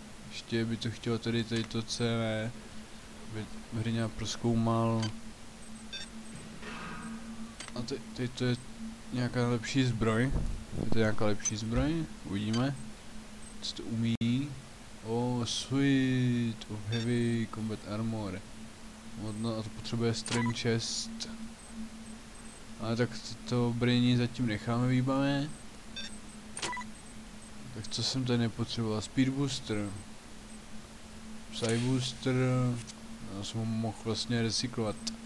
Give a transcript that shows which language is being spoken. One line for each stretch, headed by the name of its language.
Czech: Ještě by to chtělo tady to CV, aby hrňa proskoumal. A tady to je nějaká lepší zbroj, je to nějaká lepší zbroj, uvidíme, co to umí.
English: Oh, sweet, of heavy combat armor.
Czech: No, a to potřebuje strain chest. Ale tak to brnění zatím necháme výbavě. Tak co jsem tady nepotřeboval? Speed booster. Psy booster. Já jsem ho mohl vlastně recyklovat.